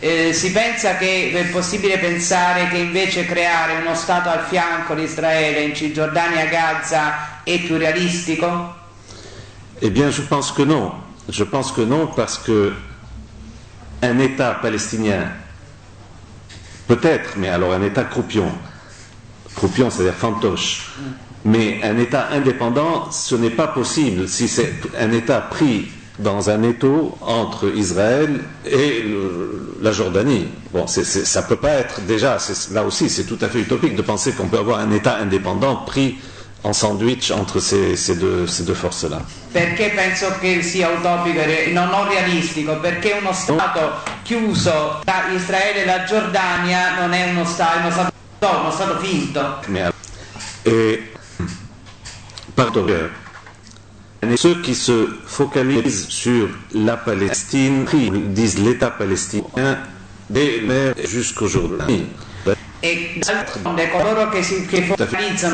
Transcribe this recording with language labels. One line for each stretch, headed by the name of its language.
Italian: Si pensa che è possibile pensare che invece creare uno Stato al fianco di Israele in Cisgiordania e Gaza è più realistico?
French: Eh bien, je pense que non. Je pense que non parce que un État palestinien, peut-être, mais alors un État croupion, c'est-à-dire fantoche, mais un État indépendant, ce n'est pas possible si c'est un État pris dans un étau entre Israël et la Jordanie. Bon, ça peut pas être, déjà, là aussi, c'est tout à fait utopique de penser qu'on peut avoir un État indépendant pris en sandwich entre ces deux forces-là.
Italian: Perché penso che sia utopico e non realistico? Perché uno Stato chiuso tra Israele e la Giordania non è uno Stato finto.
French: Pardon. Mais ceux qui se focalisent sur la Palestine, qui disent l'État palestinien, dès mai jusqu'à aujourd'hui. Et d'autres, de
Italian: coloro che si che focalizzano